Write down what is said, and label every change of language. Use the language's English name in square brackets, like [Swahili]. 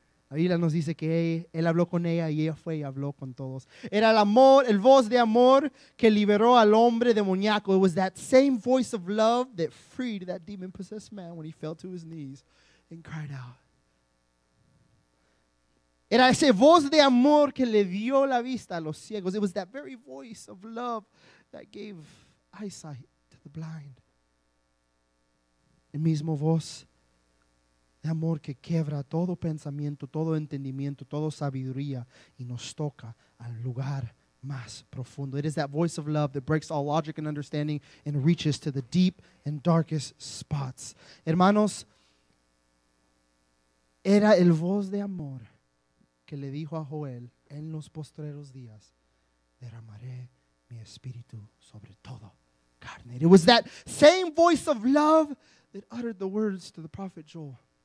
[Spanish] La Biblia nos dice que él habló con ella y ella fue y habló con todos. Era el amor, el voz de amor que liberó al hombre demoníaco. [English] It was that same voice of love that freed that demon-possessed man when he fell to his knees and cried out. [Spanish] Era ese voz de amor que le dio la vista a los ciegos. [English] It was that very voice of love that gave eyesight to the blind. [Spanish] El mismo voz de amor que quebra todo pensamiento, todo entendimiento, toda sabiduría y nos toca al lugar más profundo. [English] It is that voice of love that breaks all logic and understanding and reaches to the deep and darkest spots. [Spanish] Hermanos, era el voz de amor que le dijo a Joel en los postreros días, derramaré mi espíritu sobre todo carne. [English] It was that same voice of love that uttered the words to the prophet Joel.